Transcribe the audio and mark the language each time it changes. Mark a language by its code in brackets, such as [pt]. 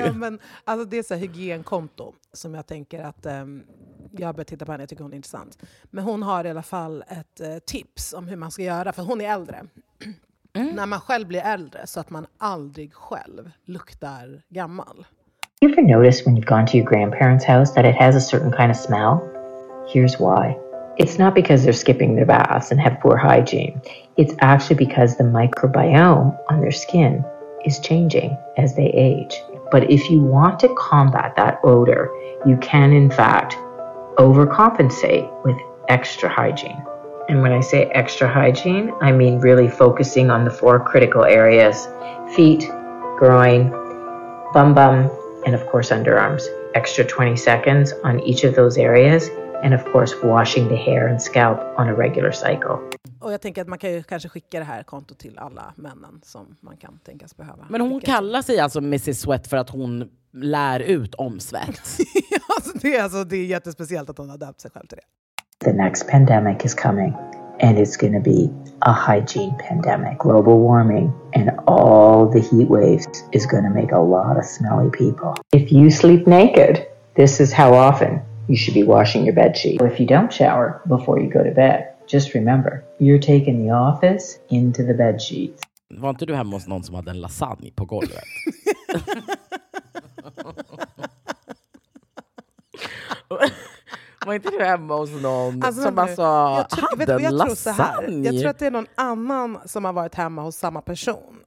[sv] Ja, men alltså det är så här hygienkonto som jag tänker att jag börjar titta på henne, jag tycker hon är intressant. Men hon har i alla fall ett tips om hur man ska göra, för hon är äldre. Mm. När man själv blir äldre så att man aldrig själv luktar gammal. [en] You ever noticed when you've gone to your grandparents' house that it has a certain kind of smell? Here's why. It's not because they're skipping their baths and have poor hygiene. It's actually because the microbiome on their skin is changing as they age. But if you want to combat that odor, you can in fact overcompensate with extra hygiene. And when I say extra hygiene, I mean really focusing on the four critical areas: feet, groin, bum bum, and of course underarms. Extra 20 seconds on each of those areas. And of course washing the hair and scalp on a regular cycle. [sv] Och jag tänker att man kan ju kanske skicka det här konto till alla männen som man kan tänkas behöva. Men hon kallar sig alltså Mrs. Sweat för att hon lär ut om svett. det är jättespeciellt att hon har döpt sig själv till det. [en] The next pandemic is coming and it's going to be a hygiene pandemic. Global warming and all the heat waves is going to make a lot of smelly people. If you sleep naked, this is how often you should be washing your bed sheet. If you don't shower before you go to bed, just remember, you're taking the office into the bed sheets. [sv] Var inte du hemma hos någon som hade en lasagne på golvet? Var inte du hemma hos någon lasagne? Jag tror att det är någon annan som har varit hemma hos samma person.